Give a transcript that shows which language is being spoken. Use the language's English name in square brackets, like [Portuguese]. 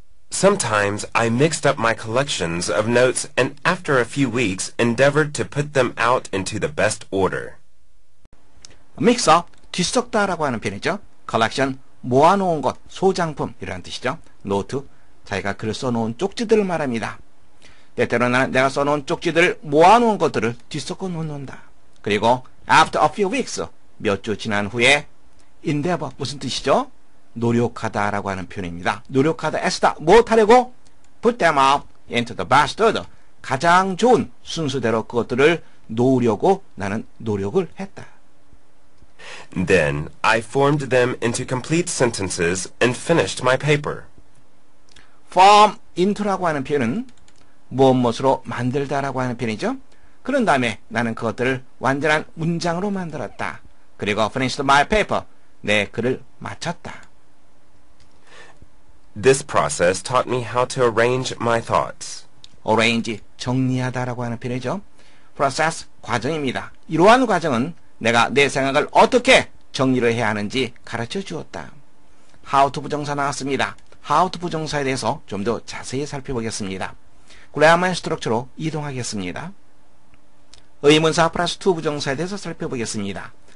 [English] Sometimes I mixed up my collections of notes and after a few weeks endeavored to put them out into the best order. [Korean] Mix up, 뒤섞다 라고 하는 표현이죠. Collection, 모아놓은 것, 소장품 이라는 뜻이죠. Note, 자기가 글을 써놓은 쪽지들을 말합니다. 때때로 나는 내가 써놓은 쪽지들을 모아놓은 것들을 뒤섞어 놓는다. 그리고 [English] after a few weeks, [Korean] 몇 주 지난 후에 endeavor, 무슨 뜻이죠? 노력하다 라고 하는 표현입니다. 노력하다, 애쓰다, 못하려고 [English] put them up into the best order. [Korean] 가장 좋은 순서대로 그것들을 놓으려고 나는 노력을 했다. [English] Then I formed them into complete sentences and finished my paper. [Korean] Form into 라고 하는 표현은 무엇무엇으로 만들다 라고 하는 표현이죠. 그런 다음에 나는 그것들을 완전한 문장으로 만들었다. 그리고 [English] finished my paper, [Korean] 내 글을 마쳤다. [English] This process taught me how to arrange my thoughts. [Korean] Arrange, 정리하다 라고 하는 표현이죠. Process, 과정입니다. 이러한 과정은 내가 내 생각을 어떻게 정리를 해야 하는지 가르쳐 주었다. How to 부정사 나왔습니다. How to 부정사에 대해서 좀 더 자세히 살펴보겠습니다. Grammar structure로 이동하겠습니다. 의문사 플러스 to 부정사에 대해서 살펴보겠습니다.